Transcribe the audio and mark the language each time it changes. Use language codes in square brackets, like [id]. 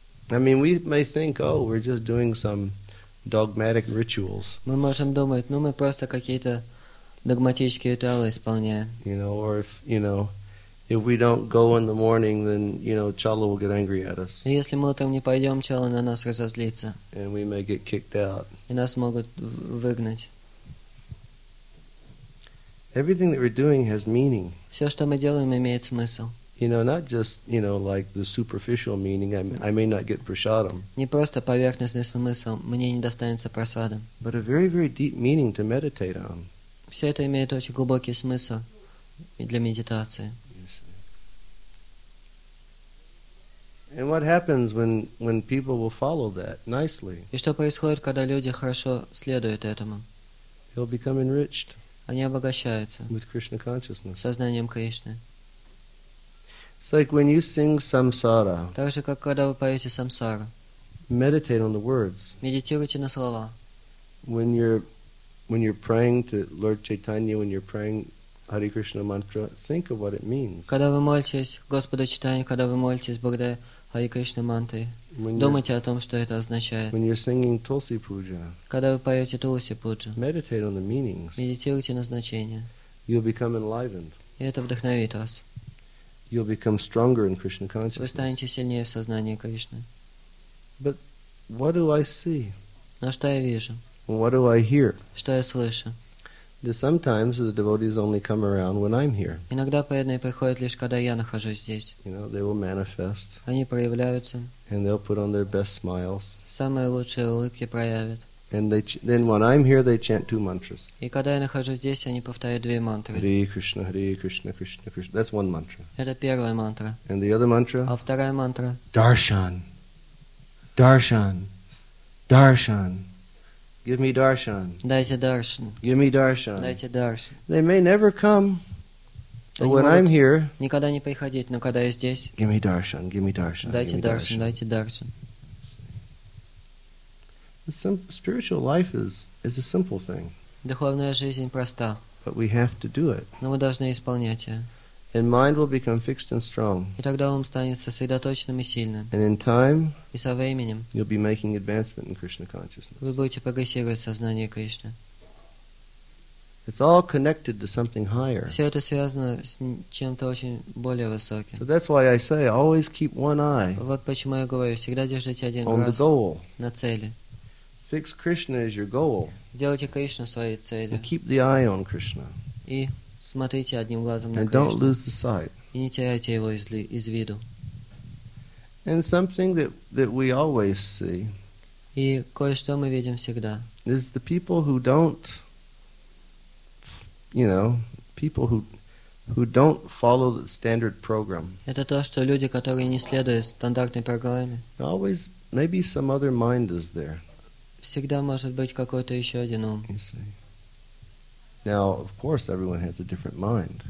[en] I mean, we may think, oh, we're just doing some dogmatic rituals. [ru] Мы можем думать, ну мы просто какие-то догматические ритуалы исполняем. [en] You know, or if, you know, if we don't go in the morning, then, you know, Chala will get angry at us. [ru] Если мы утром не пойдем, Чала на нас разозлится. [en] And we may get kicked out. [ru] И нас могут выгнать. [en] Everything that we're doing has meaning. [ru] Все, что мы делаем, имеет смысл. [en] You know, not just, you know, like the superficial meaning, I may not get prasadam. [ru] Не просто поверхностный смысл, мне не достанется прасада. [en] But a very, very deep meaning to meditate on. [ru] Все это имеет очень глубокий смысл для медитации. [en] And what happens when people will follow that nicely? [ru] И что происходит, когда люди хорошо следуют этому? [en] They'll become enriched. [ru] Они обогащаются. [en] With Krishna consciousness. [ru] Сознанием Кришны. [en] It's like when you sing samsara. [ru] Так же, как когда вы поете самсару. [en] Meditate on the words. [ru] Медитируйте на слова. [en] When you're praying to Lord Chaitanya, when you're praying Hare Krishna mantra, think of what it means. [ru] Когда вы молитесь Господу Чайтанье, когда вы молитесь Богдая Hare Krishna mantra, думайте о том, что это означает. [en] When you're singing Tulsi puja. [ru] Когда вы поете Тулси пуджу. [en] Meditate on the meanings. [ru] Медитируйте на значения. [en] You'll become enlivened. [ru] И это вдохновит вас. [en] You'll become stronger in Krishna consciousness. [ru] Вы станете сильнее в сознании Кришны. [en] But what do I see? [ru] Но что я вижу? [en] What do I hear? [ru] Что я слышу? [en] Sometimes the devotees only come around when I'm here. [ru] Иногда преданные приходят лишь когда я нахожусь здесь. [en] You know, they will manifest. [ru] Они проявляются. [en] And they'll put on their best smiles. [ru] Самые лучшие улыбки проявят. [en] And they then when I'm here, they chant two mantras. [ru] И когда я нахожусь здесь, они повторяют две мантры. [en] Hare Krishna, Krishna, Krishna. That's one mantra. [ru] Это первая мантра. [en] And the other mantra? [ru] А вторая мантра? [en] Darshan, Darshan, Darshan. Give me Darshan. [ru] Дайте Darshan. [en] Give me Darshan. [ru] Дайте Darshan. [en] They may never come, but when I'm here, [ru] никогда не приходить, но когда я здесь. [en] Give me Darshan. Give me Darshan. [ru] Дайте Darshan. Дайте Darshan. [en] Spiritual life is a simple thing. [ru] Духовная жизнь проста. [en] But we have to do it. [ru] Но мы должны исполнять ее. [en] And mind will become fixed and strong. [ru] И тогда ум станет сосредоточенным и сильным. [en] And in time, [ru] и со временем, [en] you'll be making advancement in Krishna consciousness. [ru] Вы будете прогрессировать в сознании Кришны. [en] It's all connected to something higher. [ru] Все это связано с чем-то очень более высоким. [en] So that's why I say, always keep one eye. [ru] Вот почему я говорю, всегда держите один [en] on [ru] глаз [en] the goal. [ru] На цели. [en] Fix Krishna as your goal. [ru] Делайте Кришну своей целью. [en] And keep the eye on Krishna. [ru] И смотрите одним глазом на [en] Кришну. And don't lose the sight. [ru] И не теряйте его из виду. [en] And something that we always see. [ru] И кое-что мы видим всегда. [en] Is the people who don't, you know, people who don't follow the standard program. [ru] Это то, что люди, которые не следуют стандартной программе. [en] Always, maybe some other mind is there. [ru] Всегда может быть какой-то еще один ум. [en] Now, of course, everyone has a different mind.